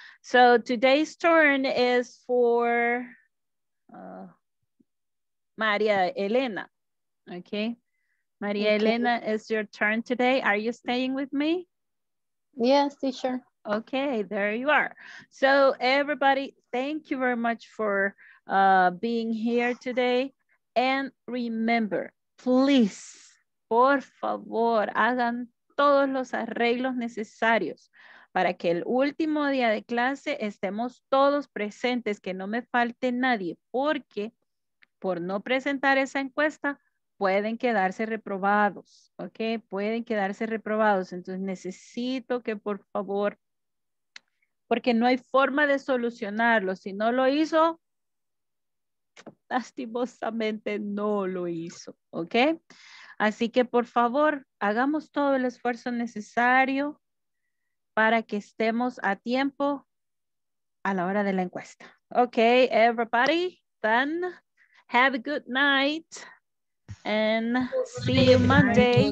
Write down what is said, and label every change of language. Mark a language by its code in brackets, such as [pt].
[en] So today's turn is for Maria Elena. Okay. Maria Elena, is your turn today. Are you staying with me? Yes, teacher. Okay, there you are. So everybody, thank you very much for being here today. And remember, please, [es] por favor, hagan todos los arreglos necesarios para que el último día de clase estemos todos presentes, que no me falte nadie, porque por no presentar esa encuesta, pueden quedarse reprobados, ¿ok? Pueden quedarse reprobados. Entonces necesito que por favor, porque no hay forma de solucionarlo. Si no lo hizo, lastimosamente no lo hizo, ¿ok? Así que por favor, hagamos todo el esfuerzo necesario para que estemos a tiempo a la hora de la encuesta. [en] Okay, everybody, then have a good night and see you Monday.